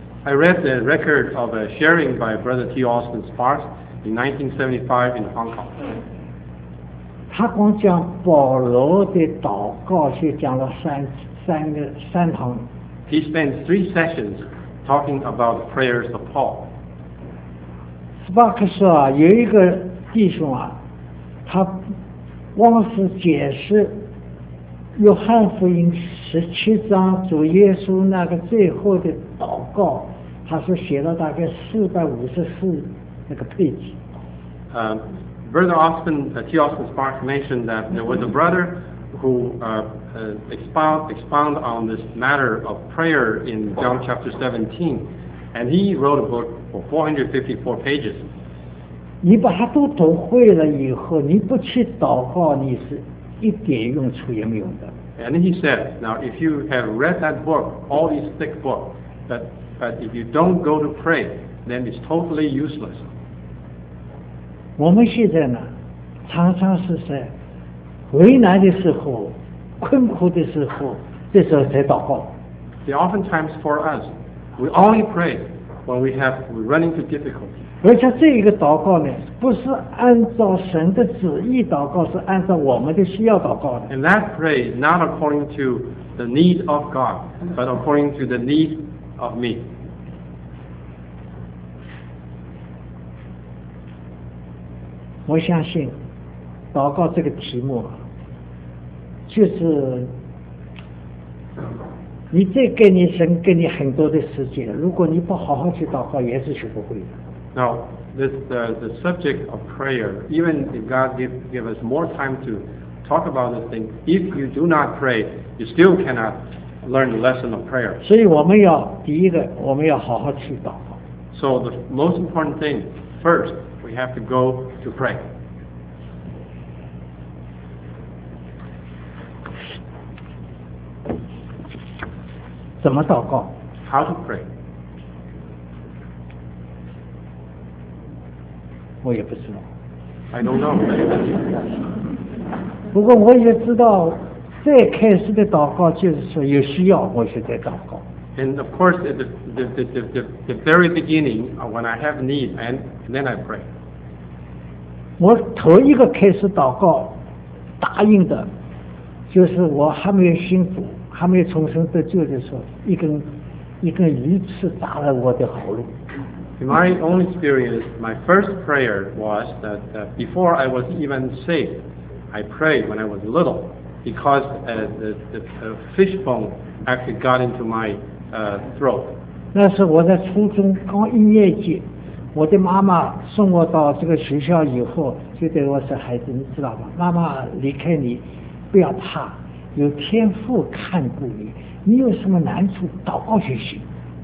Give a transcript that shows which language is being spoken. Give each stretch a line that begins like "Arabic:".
English: I read the record of a sharing by Brother T. Austin Sparks in 1975 in Hong Kong.
Chinese: 他光讲保罗的祷告就讲了三堂。
English: He spent 3 sessions talking about the prayers of Paul.
Chinese: Sparks 说啊，有一个弟兄啊，他光是解释约翰福音17章主耶稣那个最后的祷告。他是写了大概454那个 page。
English: Brother Austin, T. Austin Sparks mentioned that there was a brother who expound on this matter of prayer in John chapter 17, and he wrote a book for 454 pages.
Chinese: 你把它都读会了以后，你不去祷告，你是一点用处也没有的。
English: And he said, now if you have read that book, all these thick book, But if you don't go to pray, then it's totally useless.
Chinese: 我们现在呢，常常是在为难的时候、困苦的时候，这时候才祷告。
English: The oftentimes for us, we only pray when we run into difficulty.
Chinese: 而且这一个祷告呢，不是按照神的旨意祷告，是按照我们的需要祷告的。
English: And that pray not according to the need of God, but according to the need of me.
Chinese: 我相信祷告这个题目就是你再给你神给你很多的时间，如果你不好好去祷告也是学不会的。
English: Now this the subject of prayer, even if God give us more time to talk about this thing, if you do not pray, you still cannotLearn the lesson of prayer.
Chinese: 所以我们要第一个，我们要好好去祷告。
English: So the most important thing, first, we have to go to pray.
Chinese: 怎么祷告？
English: How to pray?
Chinese: 我也不知道。
English: I don't know.
Chinese: 不过我也知道。最开始的祷告就是说有需要我就在祷告。
English: And of course, at the very beginning, when I have need, and then I pray.
Chinese: 我头一个开始祷告答应的，就是我还没有信主、还没有重生得救的时候，一根鱼刺扎了我的喉咙。
English: In my own experience, my first prayer was that before I was even saved, I prayed when I was little. Because the fishbone actually got into my throat.
Chinese: 那时我在初中刚一年级，我的妈妈送我到这个学校以后，就对我说：“孩子，你知道吗？妈妈离开你，不要怕，有天父看顾你。你有什么难处，祷告学习。”